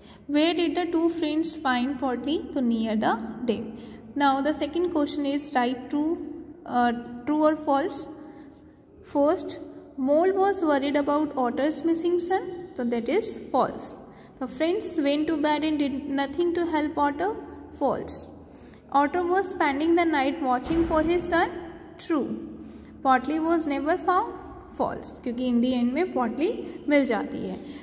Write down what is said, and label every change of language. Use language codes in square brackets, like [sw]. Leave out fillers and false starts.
[en] Where did the two friends find पॉटली? तो near the day. Now the second question is right true true और false. First, mole was worried about otters missing son, तो that is false. The friends went to bed and did nothing to help otter? False. Otter was spending the night watching for his son? True. Potli was never found? False. [hi] क्योंकि [en] in the end [hi] में Potli मिल जाती है।